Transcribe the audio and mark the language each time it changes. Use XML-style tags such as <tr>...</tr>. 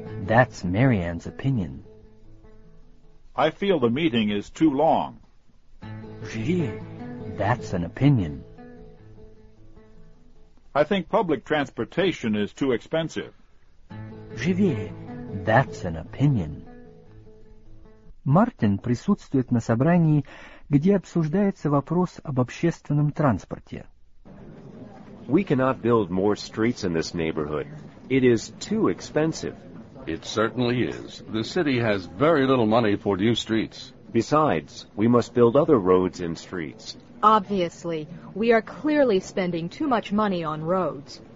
<en>That's Marianne's opinion. I feel the meeting is too long.</en> <ru>Живее.</ru> <en>That's an opinion. I think public transportation is too expensive.</en> <ru>Живее.</ru> <en>That's an opinion.</en> <ru>Мартин присутствует на собрании, где обсуждается вопрос об общественном транспорте.</ru> <en>We cannot build more streets in this neighborhood. It is too expensive. It certainly is. The city has very little money for new streets. Besides, we must build other roads and streets. Obviously, we are clearly spending too much money on roads.</en>